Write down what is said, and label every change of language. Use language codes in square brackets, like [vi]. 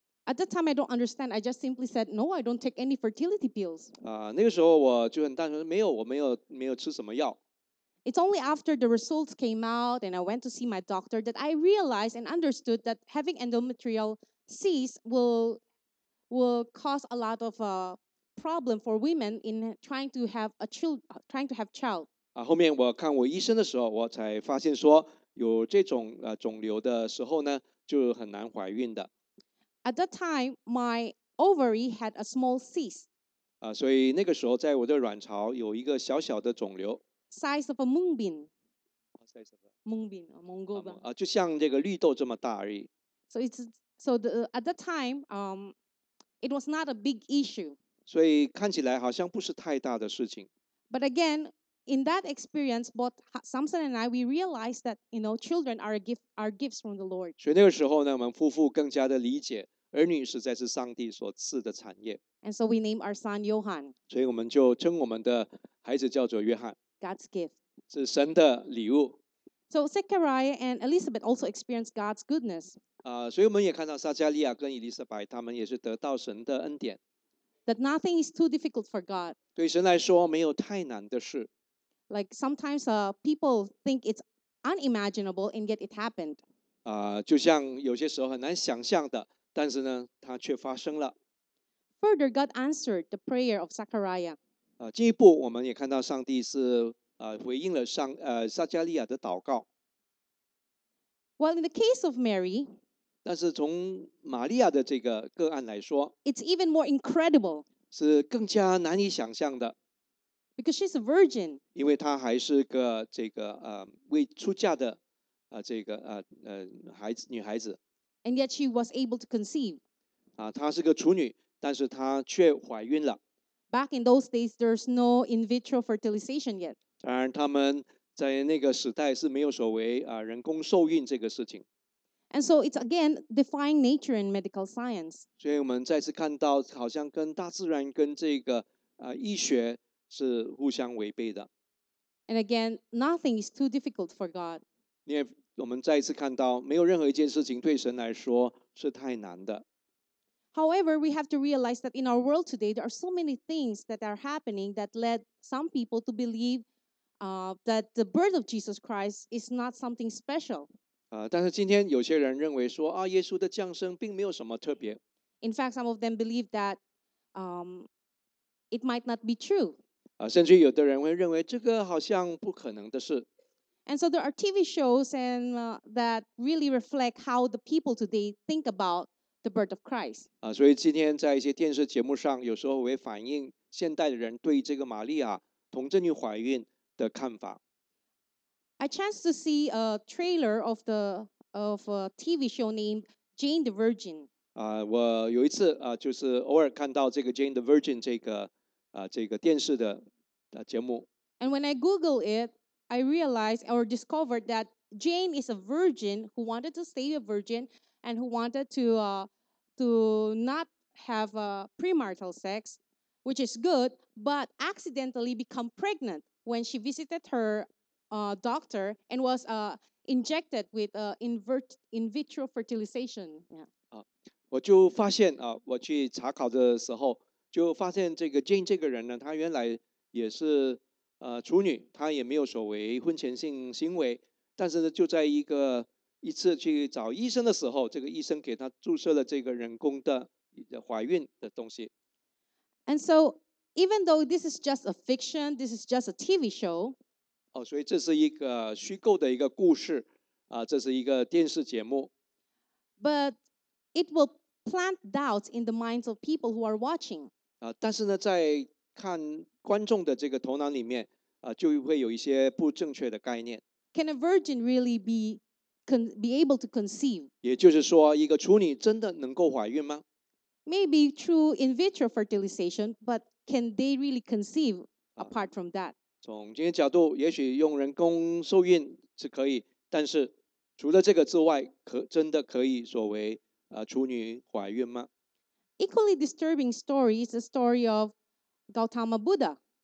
[en] At that time, I don't understand. I just simply said, "No, I don't take any fertility pills." [zh] 那个时候我就很单纯，没有，我没有吃什么药。 [en] It's only after the results came out and I went to see my doctor that I realized and understood that having endometriosis will cause a lot of problem for women in trying to have child. [zh] 后面我看我医生的时候，我才发现说有这种肿瘤的时候呢，就很难怀孕的。 [en] At that time, my ovary had a small cyst. [zh] 所以那个时候在我的卵巢有一个小小的肿瘤。 [en] Size of a mung bean. Size of a mung bean, a mung goba. [zh] 就像这个绿豆这么大而已。 [en] So at that time, it was not a big issue. [zh] 所以看起来好像不是太大的事情。 [en] But again, in that experience, both Samson and I, we realized that, you know, children are gifts from the Lord. [zh] 所以那个时候呢，我们夫妇更加的理解，儿女实在是上帝所赐的产业。 [en] And so we name our son Johan. [zh] 所以我们就称我们的孩子叫做约翰。 [en] God's gift. [zh] 是神的礼物。 [en] So Zechariah and Elizabeth also experienced God's goodness. [zh] 所以我们也看到撒加利亚跟伊丽莎白，他们也是得到神的恩典。 [en] That nothing is too difficult for God. [zh] 对神来说，没有太难的事。 [en] Like sometimes people think it's unimaginable, and yet it happened. [zh] 就像有些时候很难想象的，但是呢，它却发生了。 [en] Further, God answered the prayer of Zechariah. [zh] 进一步我们也看到上帝是回应了撒加利亚的祷告。 [en] Well, in the case of Mary, [zh] 但是从玛利亚的这个个案来说 [en] ，it's even more incredible. [zh] 是更加难以想象的。 [en] Because she's a virgin. [zh] 因为她还是个这个未出嫁的这个孩子女孩子。 [en] And yet she was able to conceive. [zh] 她是个处女，但是她却怀孕了。 [en] Back in those days, there's no in vitro fertilization yet. [zh] 当然，他们在那个时代是没有所谓人工受孕这个事情。 [en] And so it's again defying nature and medical science. [zh] 所以我们再次看到，好像跟大自然跟这个医学。是互相违背的。 [en] And again, nothing is too difficult for God. [zh] 因为我们再一次看到，没有任何一件事情对神来说是太难的。 [en] However, we have to realize that in our world today, there are so many things that are happening that led some people to believe that the birth of Jesus Christ is not something special. [zh] 但是今天有些人认为说耶稣的降生并没有什么特别。 [en] In fact, some of them believe that it might not be true. [zh] 甚至有的人会认为这个好像不可能的事。 [en] And so there are TV shows and that really reflect how the people today think about the birth of Christ. [zh] 所以今天在一些电视节目上，有时候会反映现代的人对这个玛利亚童贞女怀孕的看法。 [en] I chanced to see a trailer of the of a TV show named Jane the Virgin. [zh] 我有一次就是偶尔看到这个 Jane the Virgin 这个。这个电视的节目。 [en] And when I Google it, I realized or discovered that Jane is a virgin who wanted to stay a virgin and who wanted to not have a premarital sex, which is good, but accidentally become pregnant when she visited her doctor and was injected with in vitro fertilization. Yeah. [zh] 我就发现我去查考的时候。就发现这个 Jane 这个人呢，她原来也是处女，她也没有所谓婚前性行为，但是呢，就在一次去找医生的时候，这个医生给她注射了这个人工的怀孕的东西。 [en] And so, even though this is just a fiction, this is just a TV show. [zh] 所以这是一个虚构的一个故事这是一个电视节目。 [en] But it will plant doubts in the minds of people who are watching. [zh] 但是呢，在看观众的这个头脑里面，就会有一些不正确的概念。 [en] Can a virgin really be able to conceive? [zh] 也就是说，一个处女真的能够怀孕吗 [en] ？Maybe through in vitro fertilization, but can they really conceive apart from that? [zh] 从今天角度，也许用人工受孕是可以，但是除了这个之外，真的可以所谓处女怀孕吗？ [en] Equally disturbing story is the story of Gautama Buddha.